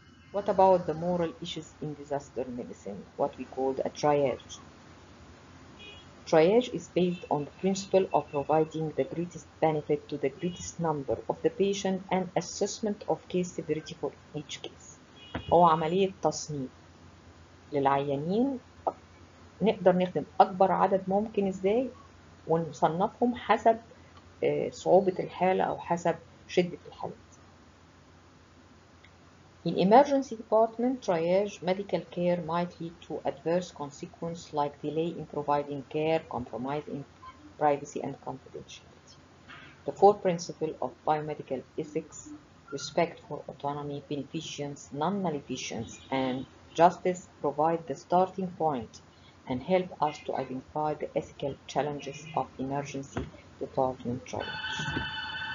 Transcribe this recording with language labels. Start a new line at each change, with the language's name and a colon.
English: What about the moral issues in disaster medicine, what we call a triage? Triage is based on the principle of providing the greatest benefit to the greatest number of the patient and assessment of case severity for each case.
Arabic: هو عملية تصنيف للعيانين نقدر نخدم أكبر عدد ممكن إزاي ونصنفهم حسب صعوبة الحالة أو حسب شدة الحالة.
English: In emergency department, triage medical care might lead to adverse consequences like delay in providing care, compromise in privacy and confidentiality. The four principles of biomedical ethics, respect for autonomy, beneficence, non-maleficence, and justice provide the starting point and help us to identify the ethical challenges of emergency department triage.